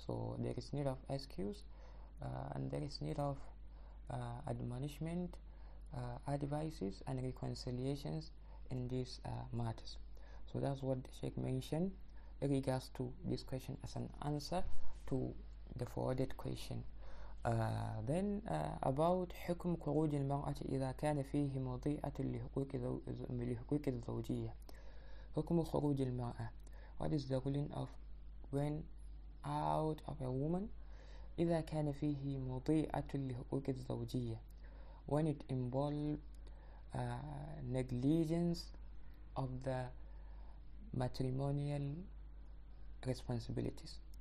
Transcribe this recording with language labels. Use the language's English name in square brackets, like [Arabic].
[English] So there is need of excuse, and there is need of admonishment, advices and reconciliations in these matters. So that's what the Sheikh mentioned in regards to this question as an answer to the forwarded question. Then about [Arabic] حكم خروج المرأة إذا كان فيه مضيعة لحقوق الزوجية. حكم خروج المرأة. [English] What is the ruling of when out of a woman [Arabic] إذا كان فيه مضيعة لحقوق الزوجية. [English] When it involves negligence of the matrimonial responsibilities.